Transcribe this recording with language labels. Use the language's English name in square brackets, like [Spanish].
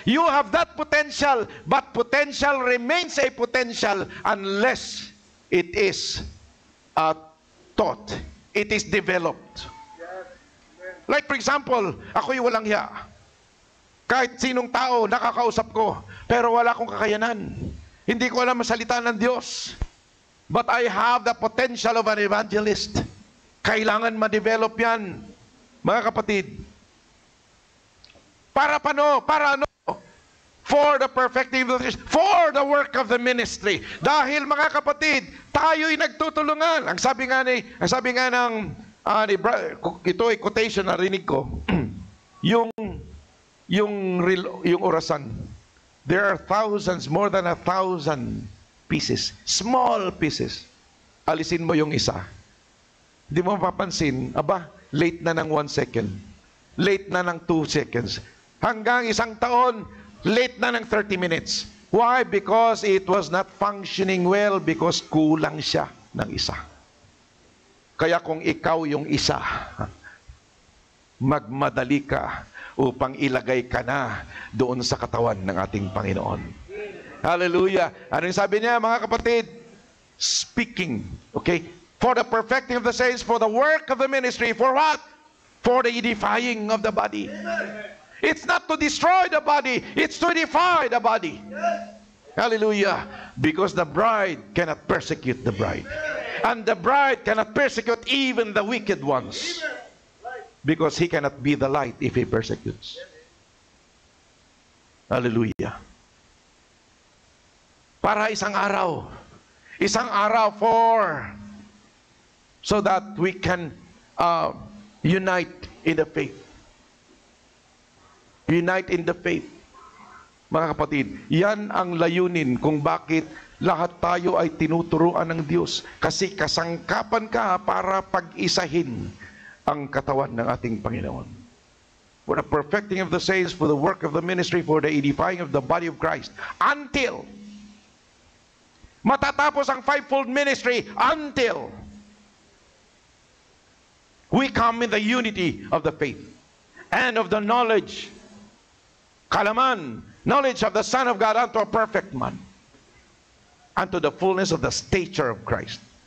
[English] You have that potential, but potential remains a potential unless it is taught. It is developed. Like for example, [Filipino] ako'y walang hiya. Kahit sinong tao, nakakausap ko, pero wala akong kakayanan. Hindi ko alam masalita ng Diyos. [English] But I have the potential of an evangelist. [Filipino] Kailangan ma-develop yan, mga kapatid. Para ano? [English] For the perfecting of the church. For the work of the ministry. [Filipino] Dahil, mga kapatid, tayo'y nagtutulungan. Ito ay quotation na rinig ko. yung orasan. [English] There are thousands, more than 1,000 pieces, small pieces. [Filipino] Alisin mo yung isa. Hindi mo mapapansin, aba, late na ng 1 second. Late na ng 2 seconds. Hanggang isang taon, late na ng 30 minutes. [English] Why? Because it was not functioning well because [Filipino] kulang siya ng isa. Kaya kung ikaw yung isa, magmadali ka upang ilagay ka na doon sa katawan ng ating Panginoon. Hallelujah. Ano yung sabi niya, mga kapatid? [English] Speaking, okay? For the perfecting of the saints, for the work of the ministry, for what? for the edifying of the body. It's not to destroy the body, it's to edify the body. Hallelujah. Because the bride cannot persecute the bride. And the bride cannot persecute even the wicked ones. Because he cannot be the light if he persecutes. Hallelujah. [Filipino] Para isang araw. Isang araw [English] for so that we can unite in the faith. Unite in the faith. [Filipino] Mga kapatid, yan ang layunin kung bakit lahat tayo ay tinuturuan ng Diyos. Kasi kasangkapan ka para pag-isahin ang katawan ng ating Panginoon. [English] For the perfecting of the saints, for the work of the ministry, for the edifying of the body of Christ. Until [Filipino] matatapos ang [English] fivefold ministry, until we come in the unity of the faith and of the knowledge, kalaman, knowledge of the Son of God unto a perfect man, unto the fullness of the stature of Christ.